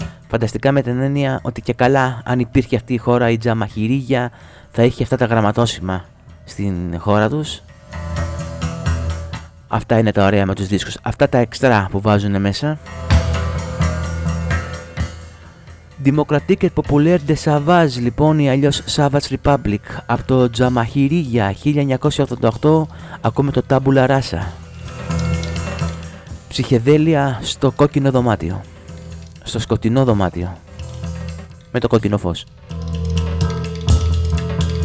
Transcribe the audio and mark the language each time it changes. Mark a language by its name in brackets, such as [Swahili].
[Greek] Φανταστικά με την έννοια ότι και καλά, αν υπήρχε αυτή η χώρα, η Τζαμαχυρίγια, θα είχε αυτά τα γραμματόσημα στην χώρα τους. Αυτά είναι τα ωραία με τους δίσκους, αυτά τα εξτρά που βάζουν μέσα. Democratique et Populaire des Savages, λοιπόν, ή αλλιώς Savage Republic, από το Τζαμαχυρίγια 1988, ακούμε το Tabula Rasa. Ψυχεδέλεια στο κόκκινο δωμάτιο. Στο σκοτεινό δωμάτιο. Με το κόκκινο φως. [English] We'll be right back.